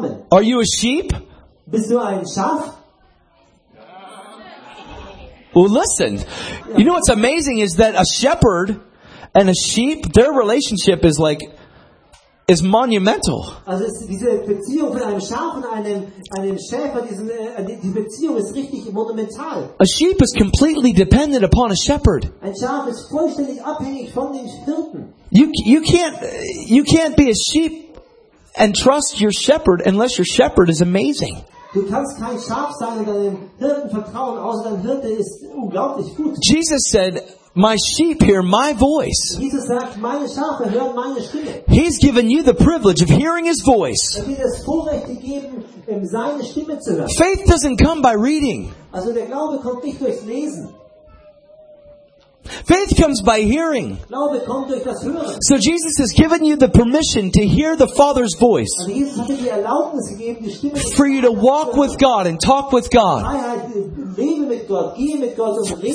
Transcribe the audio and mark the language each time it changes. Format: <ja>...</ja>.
<en>Are you a sheep? Well, listen. You know what's amazing is that a shepherd and a sheep, their relationship is like, is monumental.</en> <de>Also diese Beziehung von einem Schaf und einem Schäfer, die Beziehung ist richtig monumental.</de> <en>A sheep is completely dependent upon a shepherd.</en> <de>Ein Schaf ist vollständig abhängig von den Hirten.</de> <en>You can't be a sheep and trust your shepherd unless your shepherd is amazing.</en> <de>Du kannst kein Schaf sein und deinem Hirten vertrauen, außer dein Hirte ist unglaublich gut.</de> <en>Jesus said, my sheep hear my voice.</en> <de>Jesus sagt, meine Schafe hören meine Stimme.</de> <en>He's given you the privilege of hearing His voice.</en> <de>Er hat dir das Vorrecht gegeben, seine Stimme zu hören.</de> <en>Faith doesn't come by reading.</en> <de>Also der Glaube kommt nicht durchs Lesen.</de> <en>Faith comes by hearing.</en> <de>Glaube kommt durch das Hören.</de> <en>So Jesus has given you the permission to hear the Father's voice.</en> <de>Also Jesus hat dir die Erlaubnis gegeben, die Stimme zu hören.</de> <en>For you to walk with God and talk with God.</en> <de>Lebe mit Gott, gehe mit Gott und rede.</de>